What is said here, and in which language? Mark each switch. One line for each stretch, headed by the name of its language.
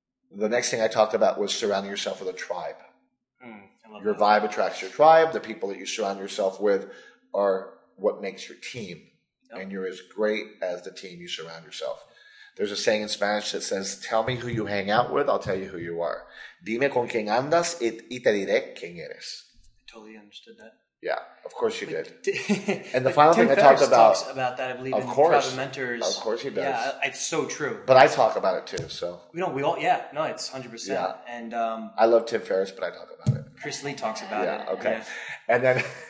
English: The next thing I talked about was surrounding yourself with a tribe. Your vibe attracts your tribe. The people that you surround yourself with are what makes your team. Yep. And you're as great as the team you surround yourself. There's a saying in Spanish that says, tell me who you hang out with, I'll tell you who you are.
Spanish: Dime con quien andas y te diré quién eres.
English: I totally understood that. Yeah, of course you did. And the final thing I talked about. Talks about that, I believe, of course, in Tribe of Mentors. Of course he does. Yeah, it's so true. But I talk about it too, so. No, it's 100%. Yeah. And, I love Tim Ferriss, but I talk about it. Chris Lee talks about it. Yeah, okay. Yeah.